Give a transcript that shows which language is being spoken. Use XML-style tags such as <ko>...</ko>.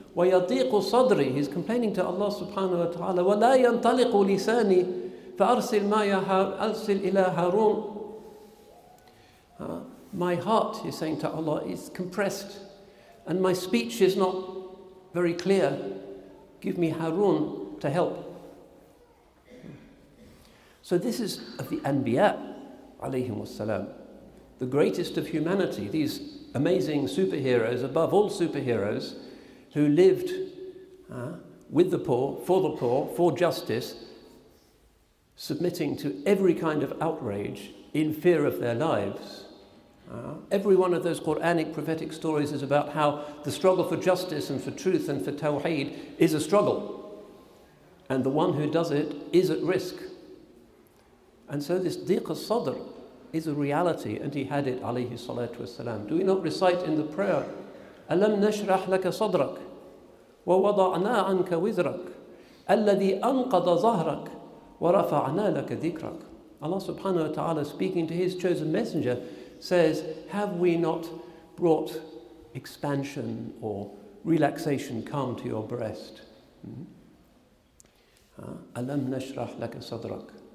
<ar>وَيَضِيقُ صَدْرِي,</ar> <en>he's complaining to Allah subhanahu wa ta'ala,</en> <ar>وَلَا يَنْطَلِقُ لِسَانِي فَأَرْسِلْ مَا يَحَرْسِلْ إِلَى هَارُونَ.</ar> <en>My heart, he's saying to Allah, is compressed, and my speech is not very clear. Give me Harun to help. So this is of the Anbiya alayhim wassalam, the greatest of humanity, these amazing superheroes, above all superheroes, who lived with the poor, for the poor, for justice, submitting to every kind of outrage in fear of their lives. Every one of those Quranic prophetic stories is about how the struggle for justice and for truth and for tawheed is a struggle, and the one who does it is at risk. And so this diq al-sadr is a reality, and he had it, alayhi salatu wasalam. Do we not recite in the prayer,</en> <ar>أَلَمْ نَشْرَحْ لَكَ صَدْرَكَ وَوَضَعْنَا عَنْكَ وِزْرَكَ الَّذِي أَنْقَضَ ظَهْرَكَ وَرَفَعْنَا لَكَ ذِكْرَكَ.</ar> <en>Allah subhanahu wa ta'ala, speaking to his chosen messenger, says, have we not brought expansion or relaxation, calm to your breast?</en> <ar>أَلَمْ نَشْرَحْ لَكَ صَدْرَكَ.</ar>